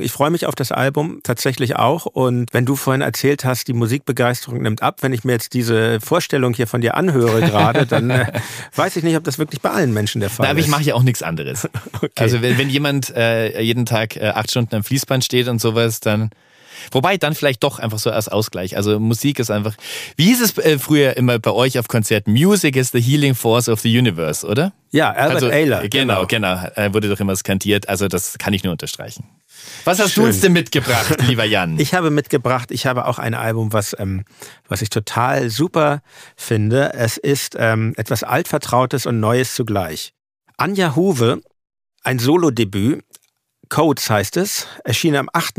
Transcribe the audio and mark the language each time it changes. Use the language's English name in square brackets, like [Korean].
[German] Ich freue mich auf das Album tatsächlich auch. Und wenn du vorhin erzählt hast, die Musikbegeisterung nimmt ab, wenn ich mir jetzt diese Vorstellung hier von dir anhöre gerade, dann weiß ich nicht, ob das wirklich bei allen Menschen der Fall ist. Aber ich mache ja auch nichts anderes. Okay. Also wenn jemand jeden Tag 8 Stunden am Fließband steht und sowas, dann... Wobei, dann vielleicht doch einfach so als Ausgleich. Also Musik ist einfach... Wie hieß es früher immer bei euch auf Konzerten? [English] Music is the healing force of the universe, [German] oder? Ja, Albert also, Ayler. Genau. Wurde doch immer skandiert. Also das kann ich nur unterstreichen. Was hast du uns denn mitgebracht, lieber Jan? Ich habe auch ein Album, was ich total super finde. Es ist etwas Altvertrautes und Neues zugleich. Anja Huwe, ein Solo-Debüt. Codes heißt es, erschien am 8.